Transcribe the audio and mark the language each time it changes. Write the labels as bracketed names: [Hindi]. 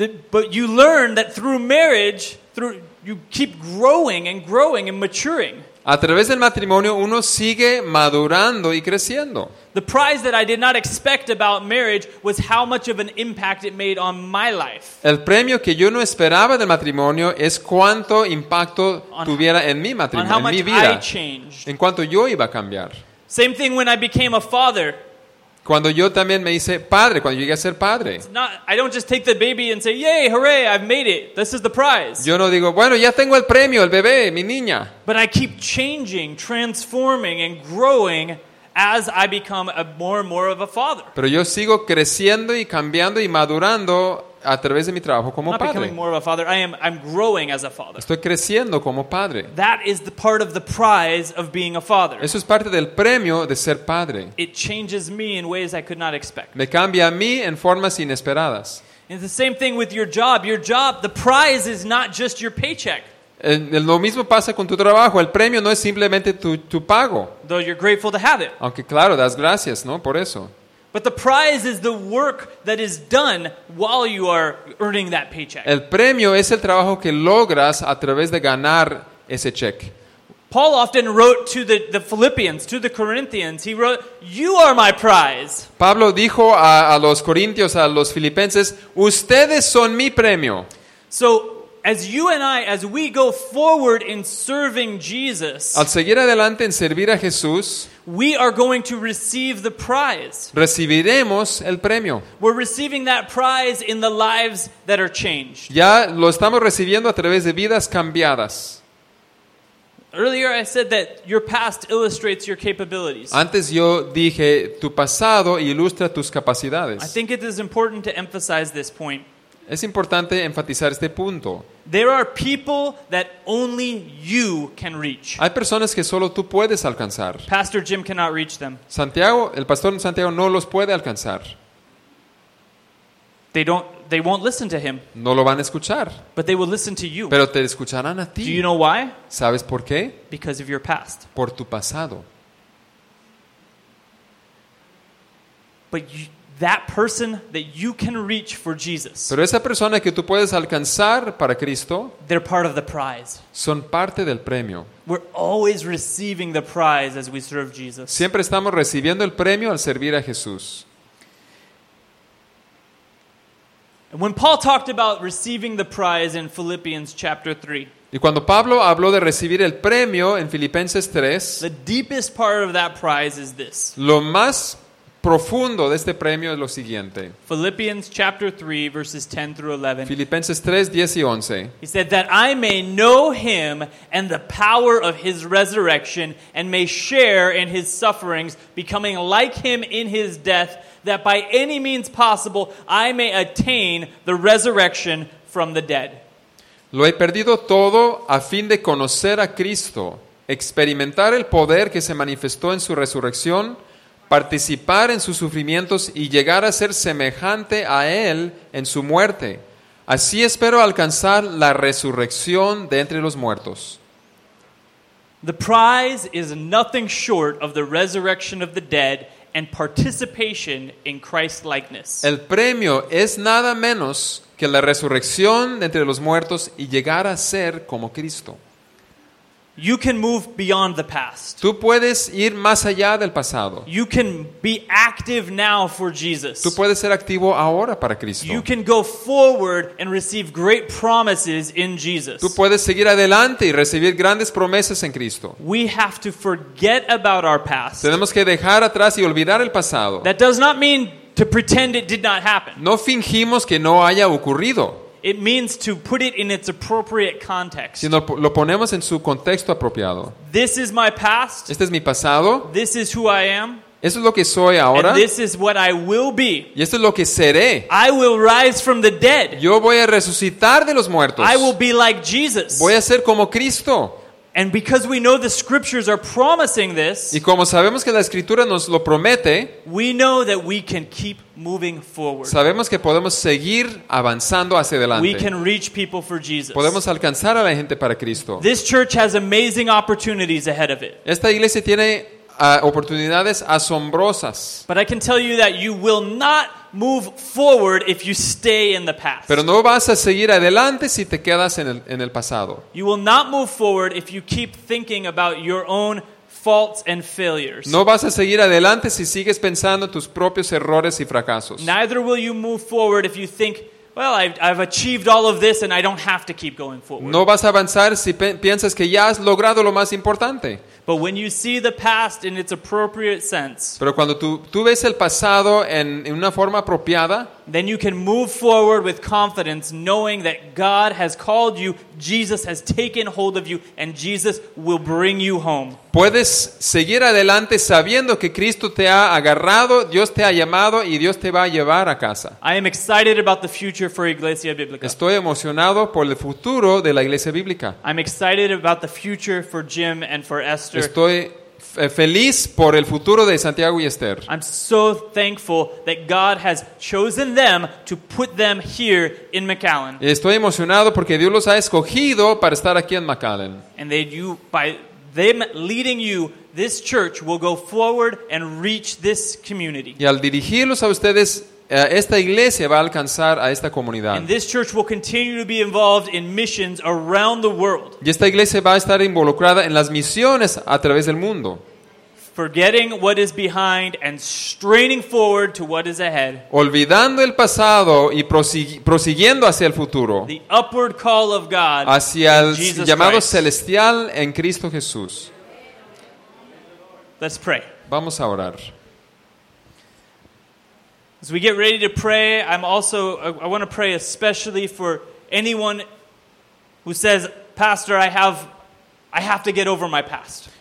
[English] but you learn that through marriage, you keep growing and growing and maturing. [Spanish] A través del matrimonio, uno sigue madurando y creciendo. [English] The prize that I did not expect about marriage was how much of an impact it made on my life. [Spanish] El premio que yo no esperaba del matrimonio es cuánto impacto tuviera en mi matrimonio, en mi vida. [English] I changed. [Spanish] En cuanto yo iba a cambiar. [English] Same thing when I became a father. [Spanish] Cuando yo también me hice padre, cuando llegué a ser padre. [English] I don't just take the baby and say, "Yay, hooray, I've made it. This is the prize." [Spanish] Yo no digo, "Bueno, ya tengo el premio, el bebé, mi niña." [English] But I keep changing, transforming and growing as I become a more and more of a father. [Spanish] Pero yo sigo creciendo y cambiando y madurando a través de mi trabajo como padre. [English] I'm becoming more of a father. I'm growing as a father. [Spanish] Estoy creciendo como padre. [English] That is the part of the prize of being a father. [Spanish] Eso es parte del premio de ser padre. [English] It changes me in ways I could not expect. [Spanish] Me cambia a mí en formas inesperadas. [English] It's the same thing with your job. Your job, the prize is not just your paycheck. [Spanish] Lo mismo pasa con tu trabajo. El premio no es simplemente tu pago. [English] Though you're grateful to have it. [Spanish] Aunque claro, das gracias, ¿no? Por eso. [English] But the prize is the work that is done while you are earning that paycheck. [Spanish] El premio es el trabajo que logras a través de ganar ese cheque. [English] Paul often wrote to the Philippians, to the Corinthians. He wrote, "You are my prize." [Spanish] Pablo dijo a los corintios, a los filipenses, "Ustedes son mi premio." [English] So as you and I, as we go forward in serving Jesus, [Spanish] al seguir adelante en servir a Jesús, [English] we are going to receive the prize. [Spanish] Recibiremos el premio. [English] We're receiving that prize in the lives that are changed. [Spanish] Ya lo estamos recibiendo a través de vidas cambiadas. [English] Earlier I said that your past illustrates your capabilities. [Spanish] Antes yo dije tu pasado ilustra tus capacidades. [English] I think it is important to emphasize this point. [Spanish] Es importante enfatizar este punto. [English] There are people that only you can reach. [Spanish] Hay personas que solo tú puedes alcanzar. [English] Pastor Jim cannot reach them. [Spanish] Santiago, el pastor Santiago no los puede alcanzar. [English] They won't listen to him. [Spanish] No lo van a escuchar. [English] But they will listen to you. [Spanish] Pero te escucharán a ti. [English] Do you know why? [Spanish] ¿Sabes por qué? [English] Because of your past. [Spanish] Por tu pasado. [English] But you, that person that you can reach for Jesus. [Spanish] Pero esa persona que tú puedes alcanzar para Cristo. [English] They're part of the prize. [Spanish] Son parte del premio. [English] We're always receiving the prize as we serve Jesus. [Spanish] Siempre estamos recibiendo el premio al servir a Jesús. [English] And when Paul talked about receiving the prize in Philippians chapter 3. [Spanish] Y cuando Pablo habló de recibir el premio en Filipenses 3. [English] The deepest part of that prize is this. [Spanish] Lo más profundo de este premio es lo siguiente. [English] Philippians chapter 3 verses 10 through 11. [Spanish] Filipenses 3, 10 y 11. [English] He said that I may know him and the power of his resurrection and may share in his sufferings, becoming like him in his death, that by any means possible I may attain the resurrection from the dead. [Spanish] Lo he perdido todo a fin de conocer a Cristo, experimentar el poder que se manifestó en su resurrección, participar en sus sufrimientos y llegar a ser semejante a Él en su muerte. Así espero alcanzar la resurrección de entre los muertos. [English] The prize is nothing short of the resurrection of the dead and participation in Christ's likeness. [Spanish] El premio es nada menos que la resurrección de entre los muertos y llegar a ser como Cristo. [English] You can move beyond the past. [Spanish] Tú puedes ir más allá del pasado. [English] You can be active now for Jesus. [Spanish] Tú puedes ser activo ahora para Cristo. [English] You can go forward and receive great promises in Jesus. [Spanish] Tú puedes seguir adelante y recibir grandes promesas en Cristo. [English] We have to forget about our past. [Spanish] Tenemos que dejar atrás y olvidar el pasado. [English] That does not mean to pretend it did not happen. [Spanish] No fingimos que no haya ocurrido. [English] It means to put it in its appropriate context. [Spanish] Sino lo ponemos en su contexto apropiado. [English] This is my past. [Spanish] Este es mi pasado. [English] This is who I am. [Spanish] Esto es lo que soy ahora. [English] And this is what I will be. [Spanish] Y esto es lo que seré. [English] I will rise from the dead. [Spanish] Yo voy a resucitar de los muertos. [English] I will be like Jesus. [Spanish] Voy a ser como Cristo. [English] And because we know the scriptures are promising this, [Spanish] y como sabemos que la escritura nos lo promete, [English] we know that we can keep moving forward. [Spanish] Sabemos que podemos seguir avanzando hacia adelante. [English] We can reach people for Jesus. [Spanish] Podemos alcanzar a la gente para Cristo. [English] This church has amazing opportunities ahead of it. [Spanish] Esta iglesia tiene oportunidades asombrosas. [English] But I can tell you that you will not move forward if you stay in the past. [Spanish] Pero no vas a seguir adelante si te quedas en el pasado. [English] You will not move forward if you keep thinking about your own faults and failures. [Spanish] No vas a seguir adelante si sigues pensando en tus propios errores y fracasos. [English] Neither will you move forward if you think, well, I've achieved all of this and I don't have to keep going forward. [Spanish] No vas a avanzar si piensas que ya has logrado lo más importante. [English] But when you see the past in its appropriate sense, [Spanish] pero cuando tú ves el pasado en una forma apropiada, [English] then you can move forward with confidence, knowing that God has called you, Jesus has taken hold of you, and Jesus will bring you home. [Spanish] Puedes seguir adelante sabiendo que Cristo te ha agarrado, Dios te ha llamado y Dios te va a llevar a casa. [English] I am excited about the future for Iglesia Bíblica. [Spanish] Estoy emocionado por el futuro de la Iglesia Bíblica. [English] I'm excited about the future for Jim and for Esther. [Spanish] Estoy feliz por el futuro de Santiago y Esther. [English] I'm so thankful that God has chosen them to put them here in McAllen. [Spanish] Estoy emocionado porque Dios los ha escogido para estar aquí en McAllen. [English] And that you, by them leading you, this church will go forward and reach this community. [Spanish] Y al dirigirlos a ustedes, esta iglesia va a alcanzar a esta comunidad. [English] And this church will continue to be involved in missions around the world. [Spanish] Y esta iglesia va a estar involucrada en las misiones a través del mundo. [English] Forgetting what is behind and straining forward to what is ahead. [Spanish] Olvidando el pasado y prosiguiendo hacia el futuro. [English] The upward call of God. [Spanish] Hacia el llamado celestial en Cristo Jesús. [English] Let's pray. [Spanish] Vamos a orar. [English] As we get ready to pray, I want to pray especially for anyone who says, "Pastor, I have to get over my past."